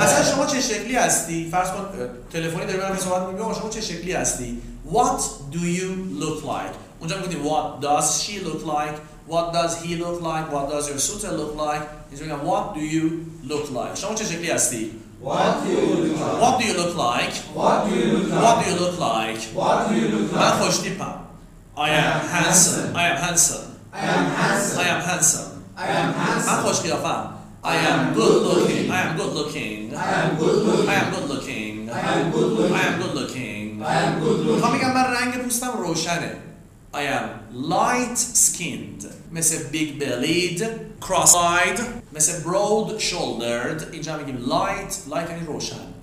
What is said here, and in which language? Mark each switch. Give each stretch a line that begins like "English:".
Persian: اصلا شما چه شکلی هستی؟ فرض کن تلفنی داری برای صحبت می‌کنی، شما چه شکلی هستی؟
English: What do you look like?
Persian: اونجا می‌گیم
English: What does she look like? What does he look like? What does your suitor look like? He's going, what do you look like?
Persian: شما چه شکلی هستی؟
English: What do you look like? What do you look like? What do you look like? What do you look like? What do you look like?
Persian: من خوش تیپم.
English: I am handsome. I am handsome. I am handsome. I am handsome. I am handsome.
Persian: من خوش قیافم.
English: I am good looking. I am good looking. I am good looking. I am good looking. I am good looking. I am good looking. I am good looking.
Persian: خواهم میگم من رنگ پوستم روشنه.
English: I am light skinned. مثل big bellied, cross eyed. مثل broad shouldered.
Persian: اینجا میگیم light. Light یعنی روشن.